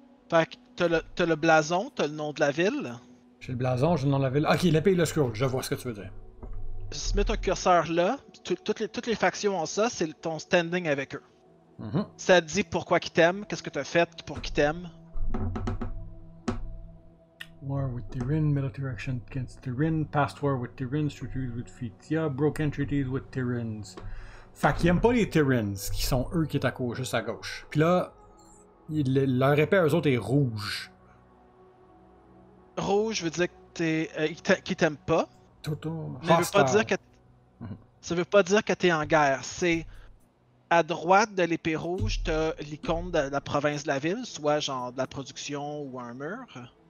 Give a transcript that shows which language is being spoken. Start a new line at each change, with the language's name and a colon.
French: Fait que t'as le blason, t'as le nom de la ville. J'ai le blason, j'ai le nom de la ville. Ok, l'épée et le scroll, je vois ce que tu veux dire. Si tu mets ton curseur là, toutes les factions ont ça, c'est ton standing avec eux. Mm-hmm. Ça te dit pourquoi qu'ils t'aiment, qu'est-ce que t'as fait pour qu'ils t'aiment.
English: War with Tyrin, military action against Tyrin, past war with Tyrin, treaties with Fitia, broken treaties with Tyrins.
French: Fait qu'ils aiment pas les Tyrins, qui sont eux qui est à gauche, juste à gauche. Puis là, leur épée à eux autres est rouge. Rouge veut dire qu'ils t'aiment pas. Ça veut pas dire que t'es en guerre. C'est à droite de l'épée rouge, t'as l'icône de la province de la ville, soit genre de la production ou un mur.